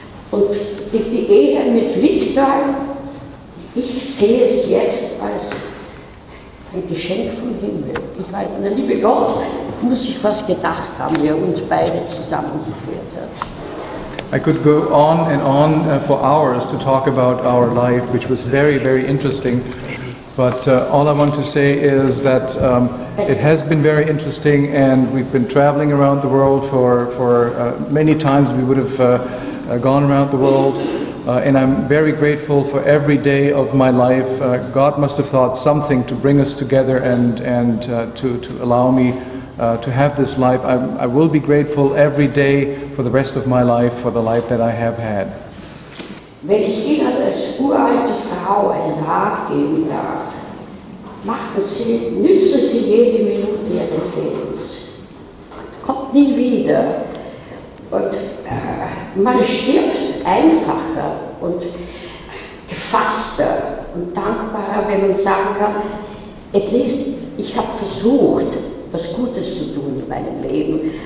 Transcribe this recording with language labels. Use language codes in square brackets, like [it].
[de] Und die Ehe mit Victor, ich sehe es jetzt als ein Geschenk vom Himmel. Ich weiß, der liebe Gott muss sich was gedacht haben, wie er uns beide zusammengeführt hat. [en] I could go on and on for hours to talk about our life, which was very, very interesting. But all I want to say is that it has been very interesting, and we've been traveling around the world for many times. We would have gone around the world, and I'm very grateful for every day of my life. God must have thought something to bring us together and to allow me to have this life. I will be grateful every day for the rest of my life, for the life that I have had. [de] Wenn ich Ihnen als uralte Frau einen Rat geben darf, nützen Sie jede Minute Ihres Lebens. Kommt nie wieder. Und man stirbt einfacher und gefasster und dankbarer, wenn man sagen kann, [en] at least [de] ich habe versucht, was Gutes zu tun in meinem Leben.